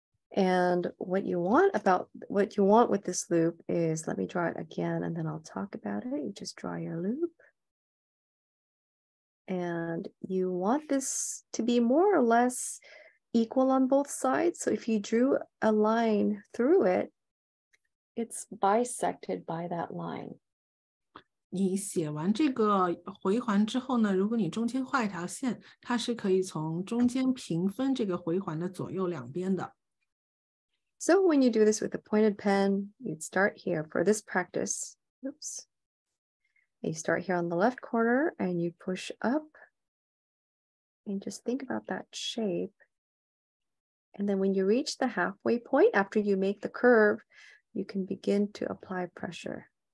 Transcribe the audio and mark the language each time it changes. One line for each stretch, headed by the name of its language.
English: And what you want with this loop is, let me draw it again and then I'll talk about it. You just draw your loop. And you want this to be more or less equal on both sides. So if you drew a line through it, it's bisected by that line.
Chinese: 你写完这个回环之后呢，如果你中间画一条线，它是可以从中间平分这个回环的左右两边的。
English: So when you do this with a pointed pen, you'd start here for this practice. Oops. And you start here on the left corner and you push up. And just think about that shape. And then when you reach the halfway point, after you make the curve, you can begin to apply pressure.